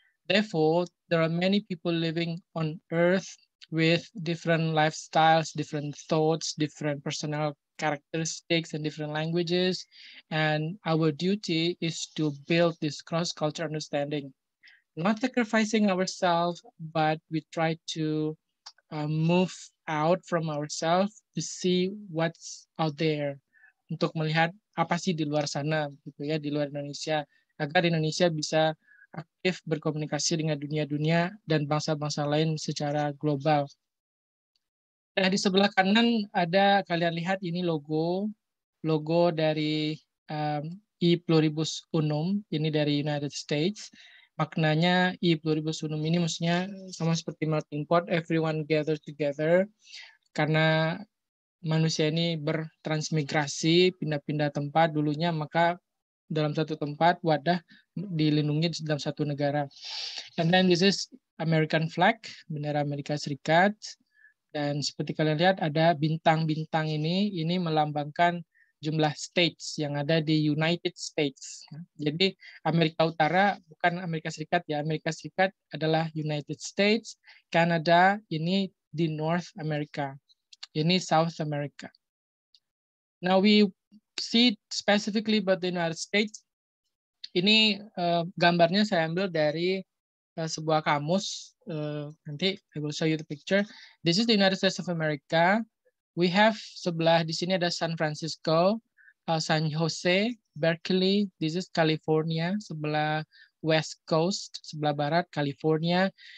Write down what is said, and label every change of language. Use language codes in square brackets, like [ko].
[en] Therefore, there are many people living on Earth with different lifestyles, different thoughts, different personal characteristics, and different languages. And our duty is to build this cross-cultural understanding, not sacrificing ourselves, but we try to move out from ourselves to see what's out there. [id] Untuk melihat apa sih di luar sana, gitu ya, di luar Indonesia, agar Indonesia bisa aktif berkomunikasi dengan dunia-dunia dan bangsa-bangsa lain secara global. Nah, di sebelah kanan ada, kalian lihat ini logo, logo dari I Pluribus Unum, ini dari United States. Maknanya I Pluribus Unum ini maksudnya sama seperti melting pot, [en] everyone gather together, [id] karena manusia ini bertransmigrasi, pindah-pindah tempat dulunya, maka dalam satu tempat wadah dilindungi dalam satu negara. [en] And then this is American flag, [id] bendera Amerika Serikat. Dan seperti kalian lihat ada bintang-bintang ini melambangkan jumlah states yang ada di United States. Jadi Amerika Utara bukan Amerika Serikat ya, Amerika Serikat adalah United States, Kanada ini di North America. Ini South America. [en] Now we see specifically about the United States. [id] Ini gambarnya saya ambil dari sebuah kamus. [en] Nanti I will show you the picture. This is the United States of America. We have [id] sebelah di sini ada San Francisco, San Jose, Berkeley. [en] This is California, [id] sebelah West Coast, sebelah barat California.